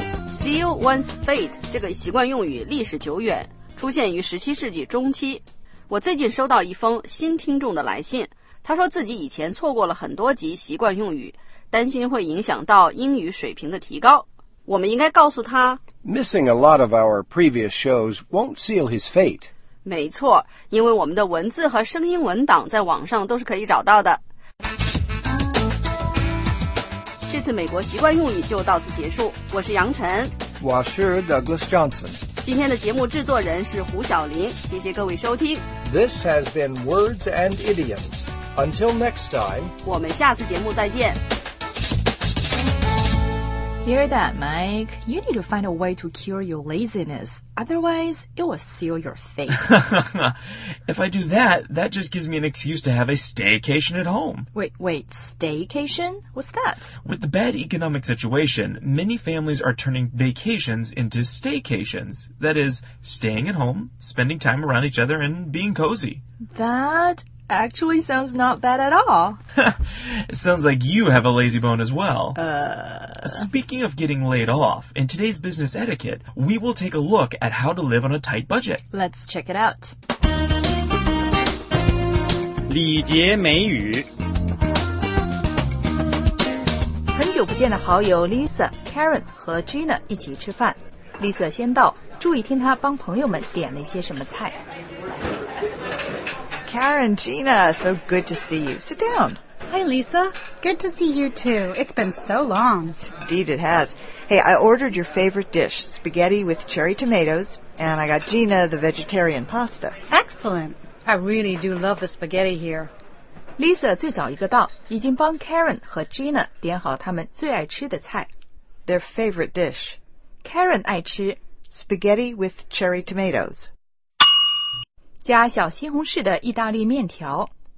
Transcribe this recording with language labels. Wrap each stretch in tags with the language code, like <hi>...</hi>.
<en>'Seal one's fate'</en> <zh>这个习惯用语历史久远，出现于17世纪中期。我最近收到一封新听众的来信，他说自己以前错过了很多集习惯用语，担心会影响到英语水平的提高。我们应该告诉他</zh> <en>Missing a lot of our previous shows won't seal his fate.</en> <zh>没错，因为我们的文字和声音文档在网上都是可以找到的。这次美国习惯用语就到此结束，我是杨晨，我是 Douglas Johnson。今天的节目制作人是胡晓林，谢谢各位收听。</zh> <en>This has been Words and Idioms. Until next time.</en> <zh>我们下次节目再见。</zh> <en>Hear that, Mike? You need to find a way to cure your laziness. Otherwise, it will seal your fate. If I do that, that just gives me an excuse to have a staycation at home. Wait, staycation? What's that? With the bad economic situation, many families are turning vacations into staycations. That is, staying at home, spending time around each other, and being cozy. That actually sounds not bad at all. It sounds like you have a lazy bone as well. Speaking of getting laid off, in today's business etiquette, we will take a look at how to live on a tight budget. Let's check it out.</en> <zh>礼节美语。很久不见的好友 Lisa, Karen 和 Gina 一起吃饭。 Lisa 先到，注意听她帮朋友们点了一些什么菜。</zh> <en>Karen, Gina, so good to see you. Sit down. Hi, Lisa. Good to see you, too. It's been so long. Indeed it has. Hey, I ordered your favorite dish, spaghetti with cherry tomatoes, and I got Gina the vegetarian pasta. Excellent. I really do love the spaghetti here.</en> <zh>Lisa 最早一个到，已经帮 Karen 和 Gina 点好他们最爱吃的菜。</zh> <en>Their favorite dish.</en> <zh>Karen 爱吃</zh> <en>spaghetti with cherry tomatoes.</en> <zh>加小西红柿的意大利面条。</zh>